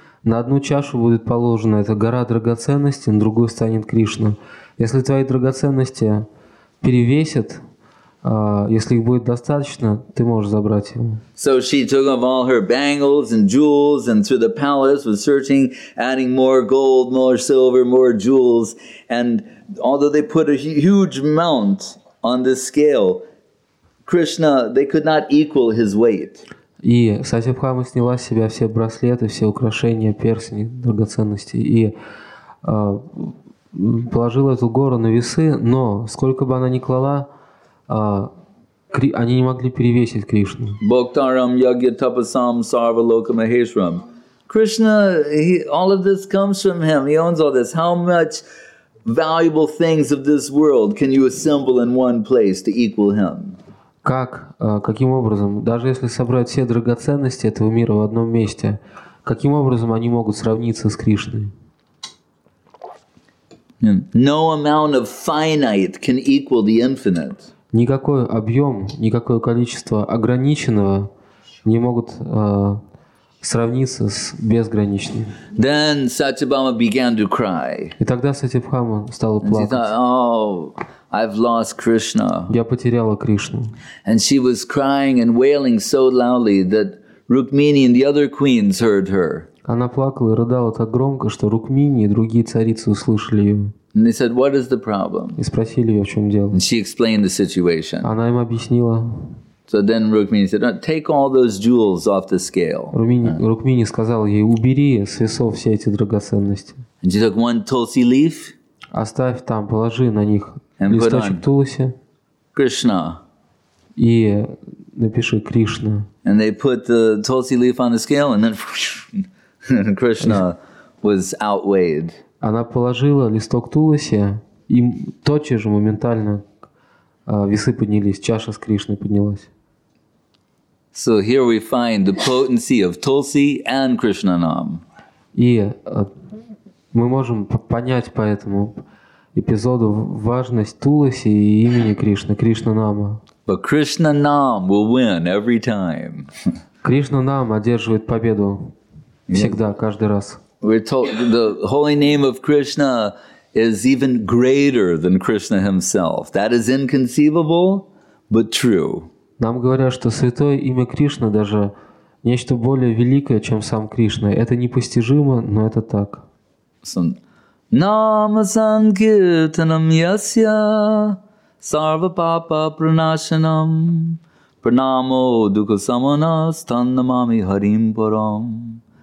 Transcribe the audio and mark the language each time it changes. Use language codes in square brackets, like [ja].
[ru] На одну чашу будет положена эта гора драгоценностей, на другую станет Кришна. Если твои драгоценности перевесят, если их будет достаточно, ты можешь забрать его." [en] So she took off all her bangles and jewels and through the palace was searching, adding more gold, more silver, more jewels. And although they put a huge amount on this scale, Krishna, they could not equal his weight. [ru] И Сатибхама сняла с себя все браслеты, все украшения, перстни, драгоценности и положила эту гору на весы, но сколько бы она ни клала, они не могли перевесить Кришну. [sa] Bhaktaram yagya tapasam sarva loka maheshram. [en] Krishna, all of this comes from him, he owns all this. How much valuable things of this world can you assemble in one place to equal him? [ru] Каким образом, даже если собрать все драгоценности этого мира в одном месте, каким образом они могут сравниться с Кришной? [en] No amount of finite can equal the infinite. [ru] Никакой объем, никакое количество ограниченного не могут сравниться с безграничным. [en] Then Satyabhama began to cry. [ru] И тогда Сатибхама стала плакать. [en] I've lost Krishna. [ru] Я потеряла Кришну. [en] And she was crying and wailing so loudly that Rukmini and the other queens heard her. [ru] Она плакала и рыдала так громко, что Рукмини и другие царицы услышали ее. [en] And they said, "What is the problem?" [ru] И спросили ее, в чем дело. [en] And she explained the situation. [ru] Она им объяснила. [en] So then Rukmini said, "Take all those jewels off the scale." [ru] Рукмини сказал ей: "Убери с весов все эти драгоценности." [en] And she took one tulsi leaf. [ru] Оставь там, положи на них листочек туласи. [en] Krishna. [ru] И напиши Кришна. [en] And they put the tulsi leaf on the scale, and then Krishna was outweighed. [ru] Она положила листок туласи, и тотчас же моментально весы поднялись, чаша с Кришной поднялась. [en] So here we find the potency of tulsi and Krishna nam. [ru] И мы можем понять по этому эпизоду важность туласи и имени Кришны, Кришна нама. [en] But Krishna nam will win every time. [ru] Кришна нам одерживает победу всегда, каждый раз. [en] We're told the holy name of Krishna is even greater than Krishna himself. That is inconceivable, but true. [ru] Нам говорят, что святое имя Кришны даже нечто более великое, чем сам Кришна. Это непостижимо, но это так. [sa] Nama sankirtanam yasya sarva papa pranashanam pranamo dukha samanas tannamami harim param.